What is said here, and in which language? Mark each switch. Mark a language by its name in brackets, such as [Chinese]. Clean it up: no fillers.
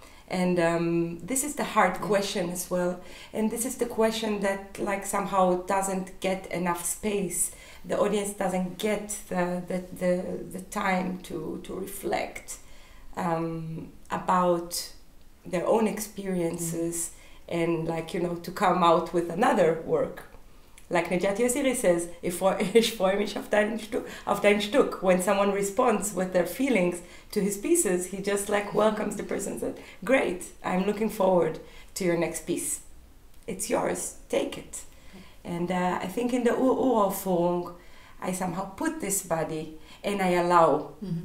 [English] And this is the hard question as well. And this is the question that like somehow doesn't get enough space. The audience doesn't get the time to reflect about their own experiences. Mm-hmm. And like, you know, to come out with another work. Like Nejat Yosiri says, [German] ich freue mich auf dein Stück. [English] When someone responds with their feelings to his pieces, he just like welcomes the person and says, great, I'm looking forward to your next piece. It's yours, take it. And I think in the Uraufung, I somehow put this body and I allow mm-hmm.